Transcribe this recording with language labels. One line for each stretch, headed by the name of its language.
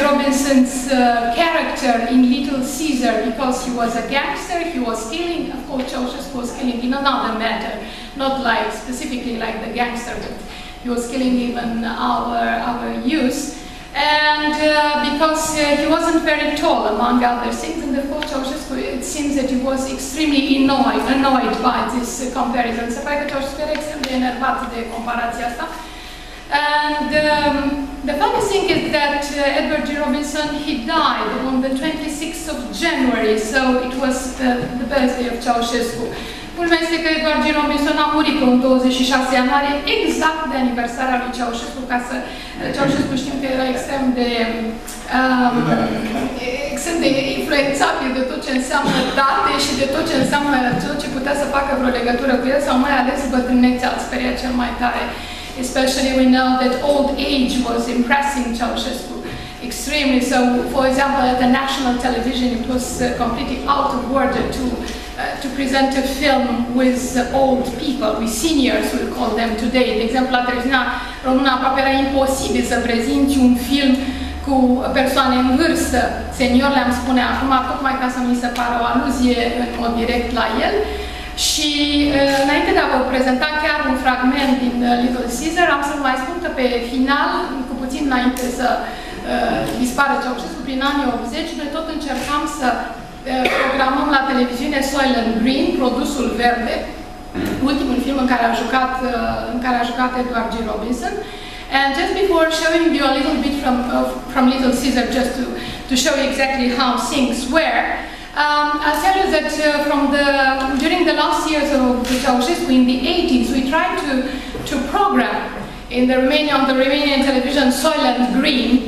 English: Robinson's character in Little Caesar, because he was a gangster, he was killing, of course Ceaușescu was killing in another matter, not like specifically like the gangster, but he was killing even our youth. And because he wasn't very tall, among other things, and therefore Ceaușescu, it seems that he was extremely annoyed by this comparison.
Romanian: Se pare că Ceaușescu era extrem de enervat de comparația asta.
English: And the funny thing is that Edward G. Robinson, he died on the 26th of January, so it was the birthday of Ceaușescu.
Romanian: Culmea este că Edward G. Robinson a murit pe 26 ianuarie, exact de aniversarea lui Ceaușescu, ca să Ceaușescu știm că era extrem de influențabil de tot ce înseamnă date și de tot ce înseamnă tot ce putea să facă vreo legătură cu el, sau mai ales bătrânețea, speria cel mai tare.
English: Especially we know that old age was impressing Ceaușescu extremely. So, for example, at the national television, it was completely out of order to present a film with old people, with seniors, we call them today.
Romanian: De exemplu, la televiziunea română aproape era imposibil să prezinți un film cu persoane în vârstă. Senior, le-am spune acum, tocmai ca să mi se pară o aluzie în mod direct la el. Și înainte de a vă prezenta chiar un fragment din Little Caesar, am să mai spun că pe final, cu puțin înainte să dispară Ceaușescu, prin anii 80, noi tot încercam să programăm la televiziune Soylent Green, produsul verde, ultimul film în care a jucat Edward G. Robinson.
English: And just before showing you a little bit from Little Caesar, just to show you exactly how things were, I'll tell you that during the last years of the Ceaușescu in the 80s, we tried to program in the Romania on the Romanian television Soylent Green.